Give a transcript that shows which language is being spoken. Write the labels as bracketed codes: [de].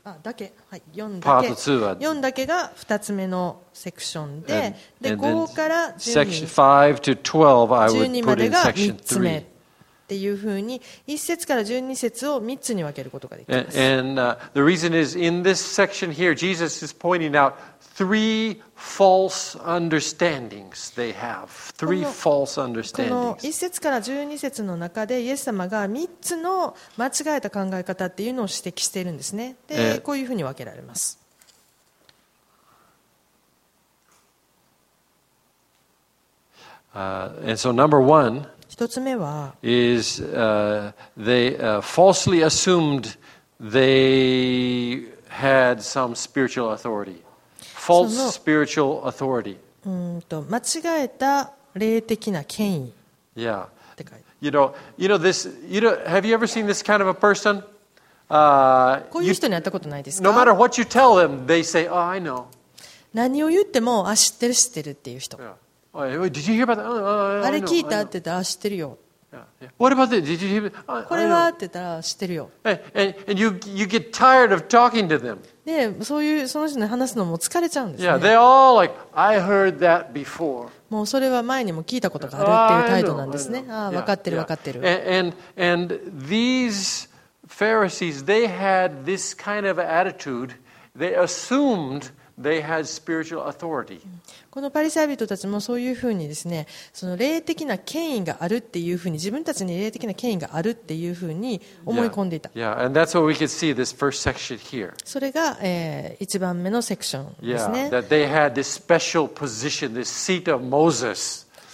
[ja] だけ、はい、4だけ、4だけが2つ目のセクションで、 [en] and, [ja] で [en] and [ja] 5から 12 までが3つ目っていうふうに1節から12節を3つに分けることができます。 [en] and the reason is in this section here Jesus is pointing out three false understandings they have. Three false understandings. [ja] この1節から12節の中でイエス様が3つの間違えた考え方っていうのを指摘しているんですね。で、こういうふうに分けられます。 [en] And so number one, [ja] 1つ目は、 [en] is they falsely assumed they had some spiritual authority. False spiritual authority. [ja] 間違えた霊的な権威。 [en] Yeah. You know this. You know, have you ever seen this kind of a person? [ja] こういう人に会ったことないですか? [en] No matter what you tell them, they say, "Oh, I know." [ja] 何を言っても、あ、知ってる、知ってるっていう人。 [en] Yeah. Did you hear about that? Oh, I know. [ja] あれ聞いたって言ったら、知ってるよ。 [en] What about this? Did you hear? [ja] これはって言ったら知ってるよ。 [en] And you get tired of talking to them. [ja] で、そういうその人に話すのも疲れちゃうんですね。 [en] Yeah, they all like I heard that before. [ja] もうそれは前にも聞いたことがあるっていう態度なんですね。ああ、分かってる、分かってる。 [en] And these Pharisees, they had this kind of attitude. They assumed they had spiritual authority. [ja] このパリサイ人たちもそういうふうにですね、その霊的な権威があるっていうふうに、自分たちに霊的な権威があるっていうふうに思い込んでいた。 [en] Yeah, yeah. And that's what we could see this first section here. [ja] それが、一番目のセクションですね。 [en] Yeah, that they had this special position, this seat of Moses.